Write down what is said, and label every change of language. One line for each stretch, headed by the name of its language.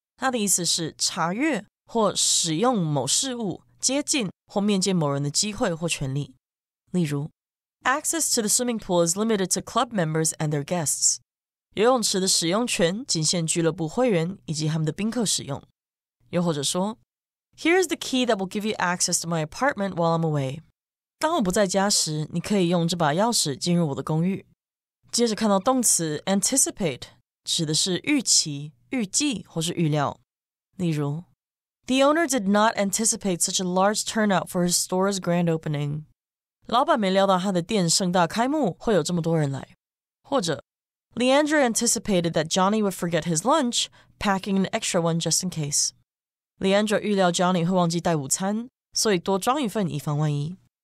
Chinese: 它的意思是查阅或使用某事物、接近或面见某人的机会或权利。例如
English: ,Access to the swimming pool is limited to club members and their guests.
Chinese: 游泳池的使用权仅限俱乐部会员以及他们的宾客使用。又或者说
English: ,Here's the key that will give you access to my apartment while I'm away.
Chinese: 当我不在家时你可以用这把钥匙进入我的公寓。接着看到动词 anticipate, 指的是预期、预计或是预料。
English: 例如 ,The owner did not anticipate such a large turnout for his store's grand opening.
Chinese: 老板没料到他的店盛大开幕会有这么多人来。或者
English: Leandra anticipated that Johnny would forget his lunch, packing an extra one just in case.
Chinese: Leandra 预料 Johnny 会忘记带午餐，所以多装一份以防万一。